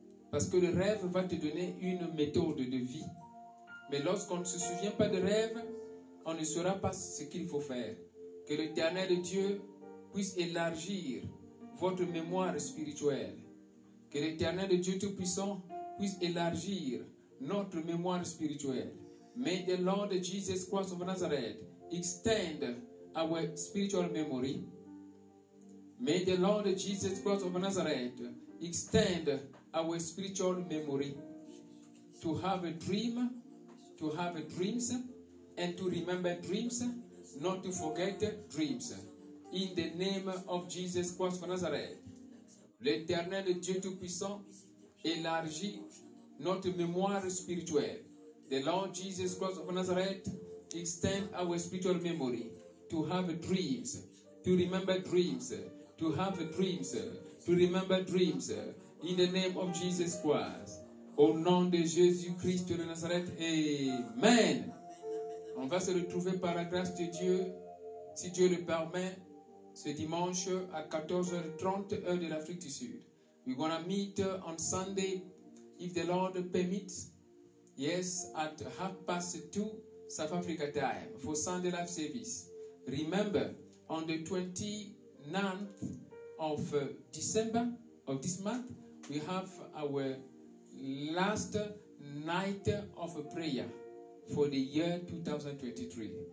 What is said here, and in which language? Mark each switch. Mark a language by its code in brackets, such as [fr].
[fr] Parce que le rêve va te donner une méthode de vie. Mais lorsqu'on ne se souvient pas de rêve, on ne saura pas ce qu'il faut faire. Que l'Éternel Dieu puisse élargir votre mémoire spirituelle. Que l'Éternel Dieu Tout-Puissant puisse élargir notre mémoire spirituelle. [en] May the Lord Jesus Christ of Nazareth extend our spiritual memory. May the Lord Jesus Christ of Nazareth extend our spiritual memory. To have a dream, to have dreams, and to remember dreams, not to forget dreams. In the name of Jesus Christ of Nazareth, [fr] l'Éternel Dieu Tout-Puissant élargit notre mémoire spirituelle. [en] The Lord Jesus Christ of Nazareth extend our spiritual memory to have dreams, to remember dreams, to have dreams, to remember dreams. In the name of Jesus Christ. [fr] Au nom de Jésus-Christ de Nazareth, Amen. On va se retrouver par la grâce de Dieu, si Dieu le permet, ce dimanche à 14h30, heure de l'Afrique du Sud. [en] We're going to meet on Sunday, if the Lord permits. Yes, at 2:30 South Africa time, for Sunday Life Service. Remember, on the 29th of December, of this month, we have our last night of prayer for the year 2023.